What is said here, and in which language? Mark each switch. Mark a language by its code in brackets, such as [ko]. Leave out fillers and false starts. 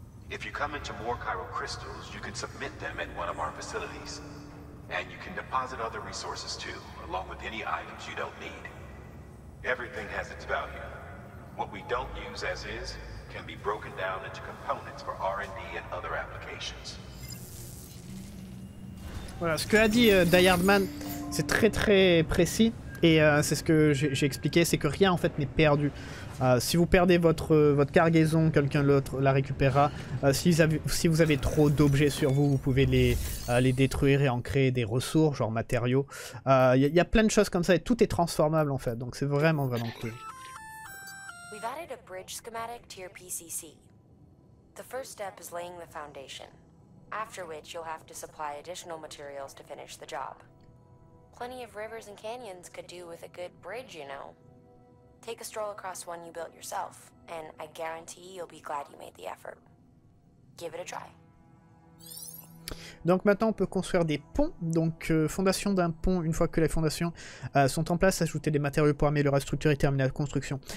[en] If you come into more chiral crystals, you can submit them at one of our facilities. And you can deposit other resources too, along with any items you don't need. Everything has its value. What we don't use as is, can be broken down into components for R&D and other applications. [fr] Voilà, ce que a dit Die Hard Man, c'est très très précis. Et c'est ce que j'ai expliqué, c'est que rien en fait n'est perdu. Si vous perdez votre cargaison, quelqu'un d'autre la récupérera. Si vous avez trop d'objets sur vous, vous pouvez les détruire et en créer des ressources, genre matériaux. Y a plein de choses comme ça et tout est transformable en fait. Donc c'est vraiment vraiment cool. [en] We've added a bridge schematic to your PCC. The first step is laying the foundation. After which you'll have to supply additional materials to finish the job. Plenty of rivers and canyons could do with a good bridge, you know. Take a stroll across one you built yourself, and I guarantee you'll be glad you made the effort. Give it a try. [fr] Donc maintenant on peut construire des ponts. Donc fondation d'un pont, une fois que les fondations sont en place, ajouter des matériaux pour améliorer la structure et terminer la construction.